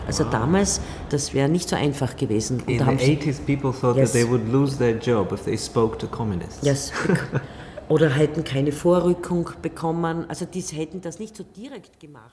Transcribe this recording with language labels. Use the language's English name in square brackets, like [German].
[German] Also damals, das wäre nicht so einfach gewesen. [English] In the 80s, people thought that they would lose their job if they spoke to communists. [German] Yes. Oder hätten keine Vorrückung bekommen. Also die hätten das nicht so direkt gemacht.